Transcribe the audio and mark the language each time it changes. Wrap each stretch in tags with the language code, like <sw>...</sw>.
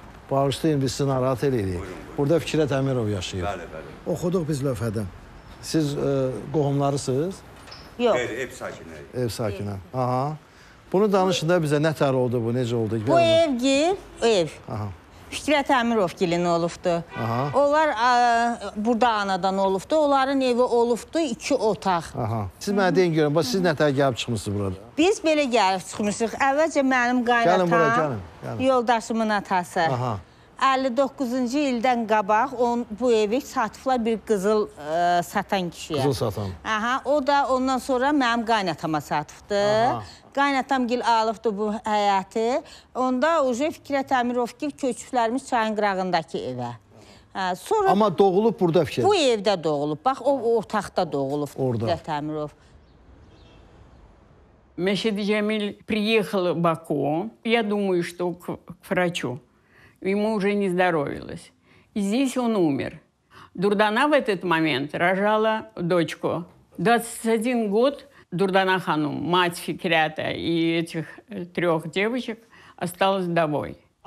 <az>Bağışlayın, biz sizi narahat eləyirik. Burada Fikrət Əmirov yaşayır. Bəli, bəli. Oxuduq biz lövhədən. Siz qohumlarısınız? Yox. Ev sakini. Ev sakini. Aha. Bunu danışın da bizə, nə tər oldu bu, necə oldu? Bu ev gir, ev. Aha. Fikrət Əmirov gilini olubdu. Aha. Onlar burada anadan olubdu. Onların evi olubdu, iki otaq. Aha. Siz mənə deyin görün, siz nə tər gəlib çıxmışsınız burada? Biz belə gəlib çıxmışıq. Əvvəlcə mənim qaynatam, gəlin bura, gəlin. Yoldaşımın atası. Aha. 59-cu ildən qabaq bu evi satıblar bir qızıl satan kişiyə. Qızıl satan. Aha, o da ondan sonra mənim qaynatama satıbdı. Qaynatam gil alıbdı bu həyəti. Onda uca Fikrət Əmirov gil köçüklərimiz çayın qırağındakı evə. Sonra, amma doğulub burada Fikrət? Bu evdə doğulub. Bax, o otaqda doğulub Fikrət Əmirov.</az> <ru>Məşədi Cəmil приехал в Баку. Я думаю, что к врачу. Ему уже не здоровилось. И здесь он умер. Дурдана в этот момент рожала дочку. 21 год Дурдана ханум, мать Фикрята и этих трех девочек, осталась вдовой.</ru>